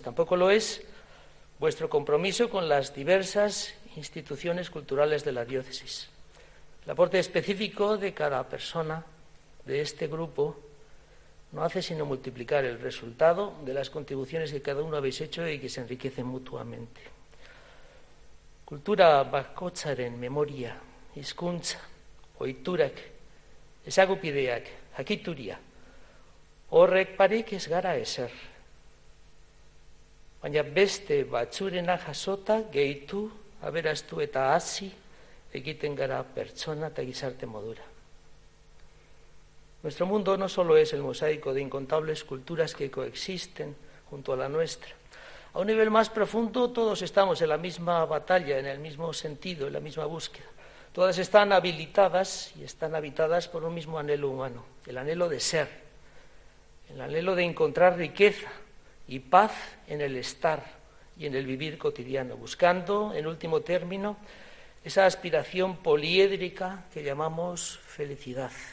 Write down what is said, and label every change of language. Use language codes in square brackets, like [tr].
[es] Tampoco lo es vuestro compromiso con las diversas instituciones culturales de la diócesis. El aporte específico de cada persona de este grupo no hace sino multiplicar el resultado de las contribuciones que cada uno habéis hecho y que se enriquecen mutuamente. [eu] Kultura bakotzaren memoria, hizkuntza, ohiturak, ezagupideak, jakituria, horrek parik ez gara ezer. Baina beste batzurena jasota gehitu, aberastu eta hasi egiten gara pertsona eta gizarte modura. [es] Nuestro mundo no solo es el mosaico de incontables culturas que coexisten junto a la nuestra. A un nivel más profundo, todos estamos en la misma batalla, en el mismo sentido, en la misma búsqueda. Todas están habilitadas y están habitadas por un mismo anhelo humano, el anhelo de ser, el anhelo de encontrar riqueza y paz en el estar y en el vivir cotidiano, buscando, en último término, esa aspiración poliédrica que llamamos felicidad.